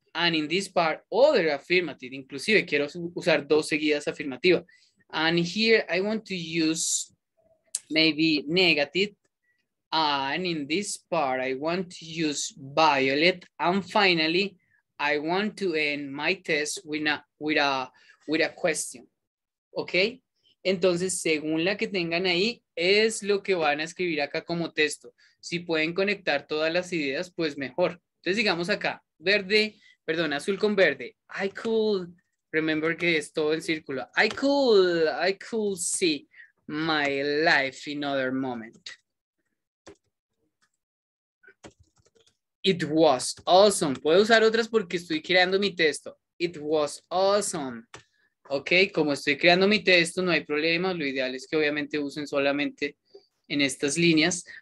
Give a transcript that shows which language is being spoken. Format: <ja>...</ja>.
<en>And in this part, other affirmative.</en> <es>Inclusive, quiero usar dos seguidas afirmativas.</es> <en>And here, I want to use maybe negative. And in this part, I want to use violet. And finally, I want to end my test with a question.</en> <es>¿Ok? Entonces, según la que tengan ahí, es lo que van a escribir acá como texto. Si pueden conectar todas las ideas, pues mejor. Entonces, digamos acá, verde, perdón, azul con verde.</es> <en>I could,</en> <es>remember que es todo en círculo.</es> <en>I could see my life in another moment. It was awesome.</en> <es>Puedo usar otras porque estoy creando mi texto.</es> <en>It was awesome.</en> <es>Ok, como estoy creando mi texto, no hay problema. Lo ideal es que obviamente usen solamente en estas líneas.</es>